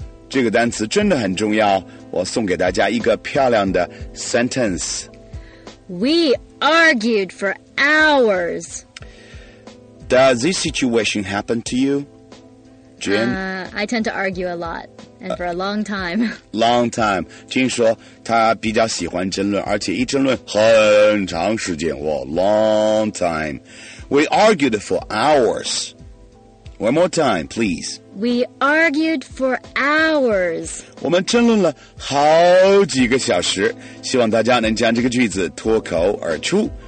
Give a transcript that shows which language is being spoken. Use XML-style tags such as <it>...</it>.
<zh>这个单词真的很重要，我送给大家一个漂亮的 sentence。</zh> <en>We argued for hours. Does this situation happen to you, Jin? I tend to argue a lot, and for a long time. Long time.</en> <zh>听说他比较喜欢争论，而且一争论很长时间。</zh> <en>Well, long time. We argued for hours. One more time, please. We argued for hours.</en> <zh>我们争论了好几个小时。希望大家能将这个句子脱口而出。</zh>